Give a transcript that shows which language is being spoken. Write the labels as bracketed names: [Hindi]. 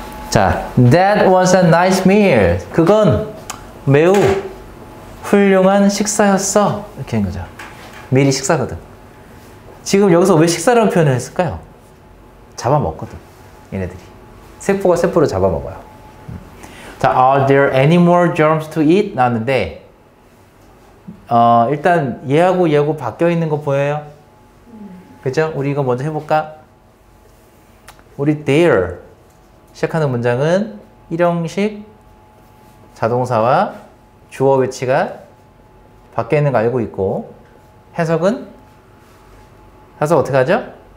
[English] 자, That was a nice meal. [Korean] 그건 매우 훌륭한 식사였어. 이렇게 된 거죠. 미리 식사거든. 지금 여기서 왜 식사라는 표현을 했을까요? 잡아먹거든. 얘네들이. 세포가 세포를 잡아먹어요. [English] 자, Are there any more germs to eat? [Korean] 나왔는데, 일단 얘하고 얘하고 바뀌어 있는 거 보여요? 그죠? 우리 이거 먼저 해볼까? 우리 there 시작하는 문장은 일형식 자동사와 주어 위치가 바뀌어 있는 거 알고 있고 해석은? 해석 어떻게 하죠?